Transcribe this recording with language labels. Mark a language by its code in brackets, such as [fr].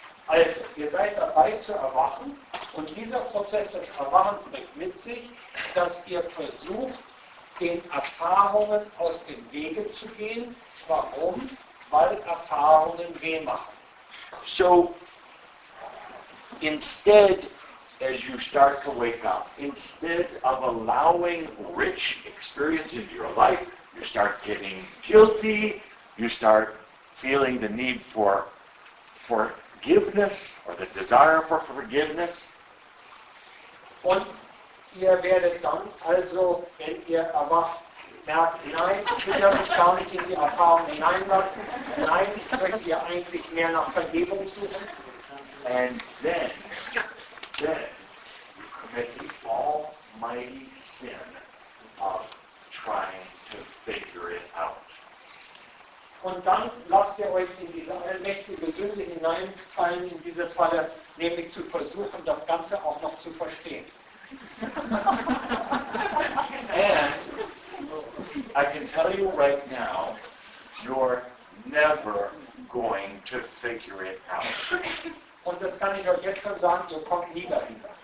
[de] Also, ihr seid dabei zu erwachen und dieser Prozess des Erwachens bringt mit sich, dass ihr versucht, den Erfahrungen aus dem Wege zu gehen. Warum? Weil Erfahrungen weh machen. [en] So, instead, as you start to wake up, instead of allowing rich experience into your life, you start getting guilty, you start feeling the need for forgiveness, or the desire for forgiveness. [de] Und ihr werdet dann also, wenn ihr erwacht, merkt, nein, ich will ja mich gar nicht in die Erfahrung hineinlassen. Nein, ich möchte ja eigentlich mehr nach Vergebung suchen. [en] And then, you commit the almighty sin of trying to figure it out. [de] Und dann lasst ihr euch in diese allmächtige Sünde hineinfallen, in diese Falle, nämlich zu versuchen, das Ganze auch noch zu verstehen. [en] And I can tell you right now, you're never going to figure it out. [de] Und das kann ich euch jetzt schon sagen, ihr kommt nie dahin.